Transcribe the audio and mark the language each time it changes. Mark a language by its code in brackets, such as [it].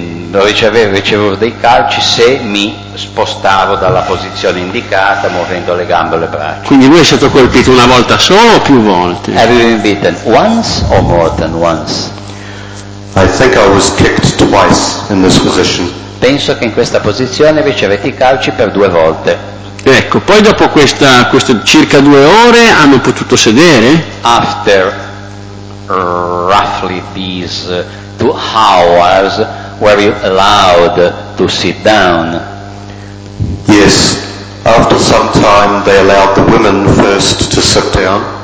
[it] Ricevevo dei calci se mi spostavo dalla posizione indicata, muovendo le gambe e le braccia. Quindi lui è stato colpito una volta solo o più volte? [en] Have you been beaten once or more than once? I think I was kicked twice in this position. [it] Penso che in questa posizione ricevete i calci per due volte. Ecco, poi dopo queste circa due ore hanno potuto sedere? [en] After roughly these 2 hours, were you allowed to sit down? Yes, After some time they allowed the women first to sit down.